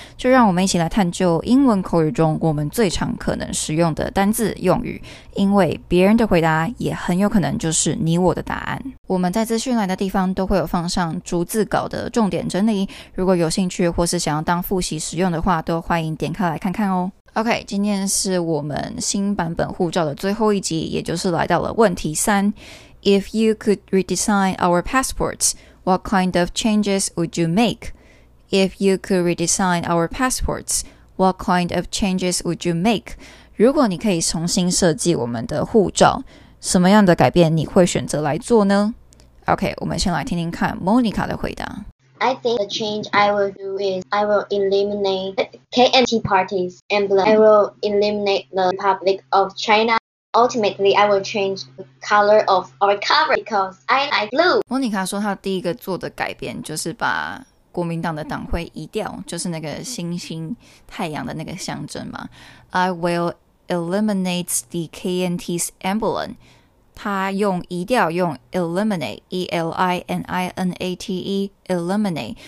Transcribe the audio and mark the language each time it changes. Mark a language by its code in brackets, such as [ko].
[zh] 就让我们一起来探究英文口语中我们最常可能使用的单字用语，因为别人的回答也很有可能就是你我的答案。我们在资讯栏的地方都会有放上逐字稿的重点整理，如果有兴趣或是想要当复习使用的话，都欢迎点开来看看哦。 OK， 今天是我们新版本护照的最后一集，也就是来到了问题三。 [en] If you could redesign our passports, what kind of changes would you make? If you could redesign our passports, what kind of changes would you make? [zh] 如果你可以重新设计我们的护照，什么样的改变你会选择来做呢？ OK， 我们先来听听看 Monica 的回答。 [en] I think the change I will do is I will eliminate the KMT parties and I will eliminate the Republic of China. Ultimately, I will change the color of our cover because I like blue. [zh] Monica 说她第一个做的改变就是把国民党的党徽移掉，就是那个星星太阳的那个象征嘛。 [en] I will eliminate the KMT's emblem. [zh] 他用移掉，用 eliminate, E-L-I-N-I-N-A-T-E, eliminate.